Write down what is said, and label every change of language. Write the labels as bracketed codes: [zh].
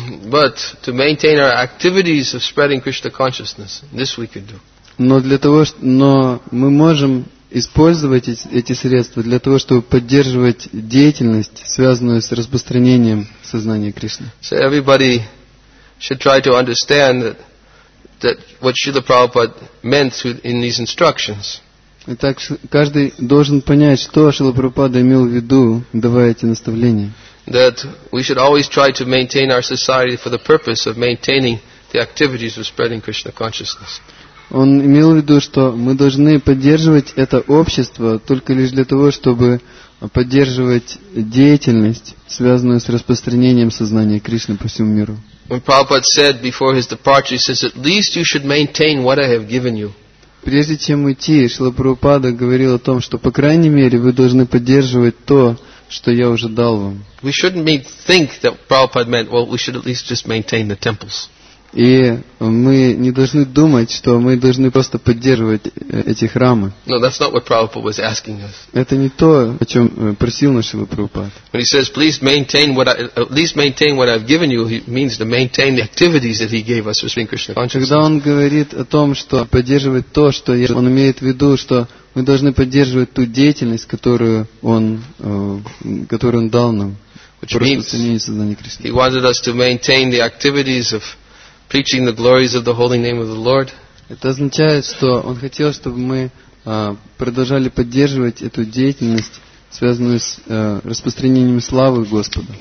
[en] But to maintain our activities of spreading Krishna consciousness, this we could do. [ru] Но мы можем использовать эти средства для того, чтобы поддерживать деятельность, связанную с распространением сознания Кришны. [en] So everybody should try to understand that what Srila Prabhupada meant in these instructions. [ru] Итак, каждый должен понять, что Шрила Прабхупада имел в виду, давая эти наставления. [en] That we should always try to maintain our society for the purpose of maintaining the activities of spreading Krishna consciousness. [ru] Он имел в виду, что мы должны поддерживать это общество только лишь для того, чтобы поддерживать деятельность, связанную с распространением сознания Кришны по всему миру. [en] When Prabhupada said before his departure, he says, at least you should maintain what I have given you. [ru] Прежде чем уйти, Шрила Прабхупада говорил о том, что по крайней мере вы должны поддерживать то, что я уже дал вам. [en] We shouldn't think that Prabhupada meant, well, we should at least just maintain the temples. [ru] И мы не должны думать, что мы должны просто поддерживать эти храмы. [en] No, that's not what Prabhupada was asking us. [ru] Это не то, о чем просил наш Шрила Прабхупада. [en] When he says, please maintain what at least maintain what I've given you, he means to maintain the activities that he gave us for spreading Krishna consciousness. [ru] Когда он говорит о том, что поддерживать то, что я, он имеет в виду, что мы должны поддерживать ту деятельность, которую он дал нам. [en] Which means he wanted us to maintain the activities of preaching the glories of the holy name of the Lord. [ru] Это означает, что он хотел, чтобы мы продолжали поддерживать эту деятельность, связанную с распространением славы Господа.